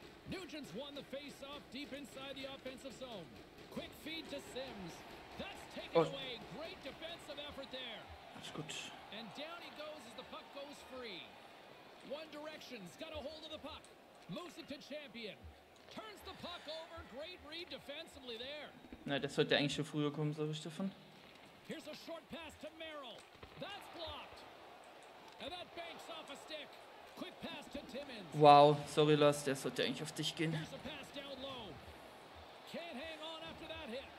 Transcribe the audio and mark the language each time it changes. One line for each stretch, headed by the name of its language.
English: Nugent's won the face off deep inside the offensive zone. Quick feed to Sims. That's taken away. Great defensive effort there. That's good. And down he goes as the puck goes free. One Direction's got a hold of the puck. Moves it to Champion. Turns the puck over. Great read defensively there.
German: Na, das sollte eigentlich schon früher kommen, sag ich davon.
English: Here's a short pass to Merrill. That's blocked. And that banks off a stick. Quick pass to Timmins.
German: Wow, sorry Lars, der sollte eigentlich auf dich gehen.
English: Can't hang on after that hit.